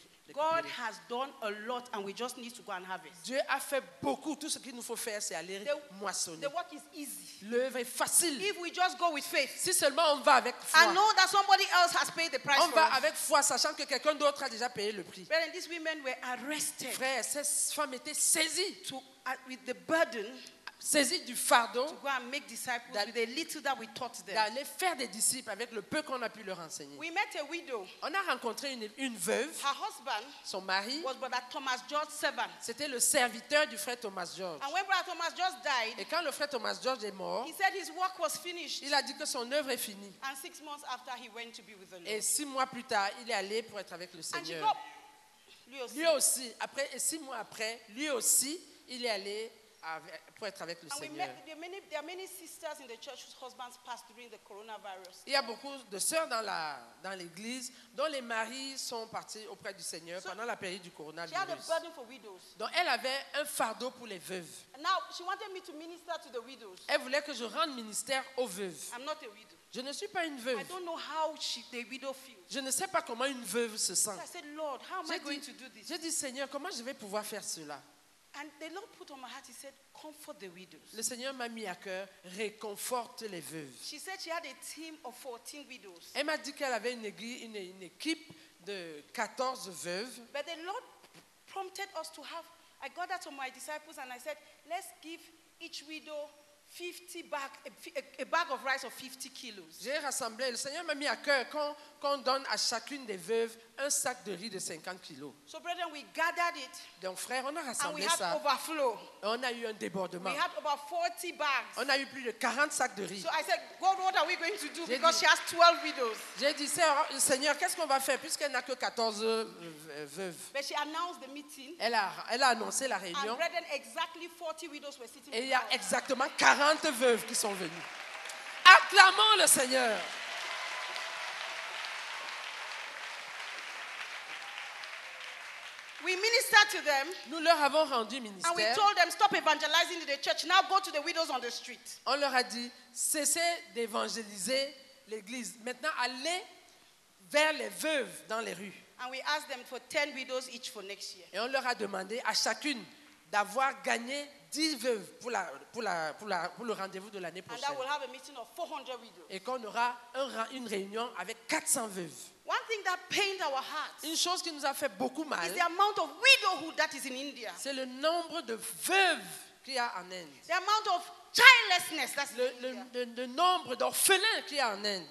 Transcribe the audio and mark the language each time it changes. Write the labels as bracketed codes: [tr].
[en] God has done a lot, and we just need to go and harvest. [fr] Dieu a fait beaucoup. Tout ce qu'il nous faut faire, c'est aller moissonner. [en] The work is easy. [fr] L'œuvre est facile. [en] If we just go with faith. [fr] Si seulement on va avec foi. [en] I know that somebody else has paid the price. [fr] On va avec foi, sachant que quelqu'un d'autre a déjà payé le prix. [en] Brethren, these women were arrested. [fr] Frère, ces femmes étaient saisies [en] with the burden. [fr] Saisie du fardeau [en] to go and make disciples with the little that we taught them. [fr] D'aller faire des disciples avec le peu qu'on a pu leur enseigner. [en] We met a widow. [fr] On a rencontré une veuve. [en] Her husband, [fr] son mari, [en] was Brother Thomas George's servant. [fr] C'était le serviteur du frère Thomas George. [en] And when Brother Thomas George died, [fr] et quand le frère Thomas George est mort, [en] he said his work was finished. [fr] Il a dit que son œuvre est finie. [en] And 6 months after, he went to be with the Lord. [fr] Et 6 mois plus tard, il est allé pour être avec le Seigneur. And lui aussi. Après, et 6 mois après, lui aussi, il est allé pour être avec le Seigneur. Il y a beaucoup de sœurs dans l'église dont les maris sont partis auprès du Seigneur pendant la période du coronavirus. [en] She had a burden for widows. [fr] Donc elle avait un fardeau pour les veuves. [en] Now, she wanted me to minister to the widows. [fr] Elle voulait que je rende ministère aux veuves. [en] I'm not a widow. [fr] Je ne suis pas une veuve. [en] I don't know how the widow feels. [fr] Je ne sais pas comment une veuve se sent. [en] So I said, Lord, how am I going to do this? [fr] J'ai dit, Seigneur, comment je vais pouvoir faire cela? [en] And the Lord put on my heart, he said, comfort the widows. [fr] Le Seigneur m'a mis à cœur, réconforte les veuves. [en] She said she had a team of 14 widows. [fr] Elle m'a dit qu'elle avait une équipe de 14 veuves. [en] But the Lord prompted us to have, I got that to my disciples and I said, let's give each widow 50 bags, a bag of rice of 50 kilos. [fr] J'ai rassemblé, le Seigneur m'a mis à cœur qu'on donne à chacune des veuves un sac de riz de 50 kilos. [en] So brethren, we gathered it. [fr] Donc frère, on a rassemblé [en] and we had [fr] ça. [en] Overflow. [fr] Et on a eu un débordement. [en] We had about 40 bags. [fr] On a eu plus de 40 sacs de riz. [en] So I said, God, what are we going to do? [fr] J'ai [en] because [fr] dit, [en] she has 12 widows. [fr] J'ai dit, Seigneur, qu'est-ce qu'on va faire puisqu'elle n'a que 14 veuves. [en] But she announced the meeting. [fr] Elle a annoncé la réunion. [en] And brethren, exactly 40 widows were sitting. [fr] Et il y a exactement 40 veuves qui sont venues. Acclamons le Seigneur. [en] We ministered to them. [fr] Nous leur avons rendu ministère. [en] And we told them, stop evangelizing the church. Now go to the widows on the street. [fr] On leur a dit, cessez d'évangéliser l'église. Maintenant, allez vers les veuves dans les rues. [en] And we asked them for 10 widows each for next year. [fr] Et on leur a demandé à chacune d'avoir gagné 10 veuves pour le rendez-vous de l'année prochaine. [en] And that we'll have a meeting of 400 widows. [fr] Et qu'on aura une réunion avec 400 veuves. [en] One thing that pained our hearts. [fr] Une chose qui nous a fait beaucoup mal. [en] Is the amount of widowhood that is in India. [fr] C'est le nombre de veuves qu'il y a en Inde. [en] The amount of childlessness that's in India. [fr] Le nombre d'orphelins qu'il y a en Inde.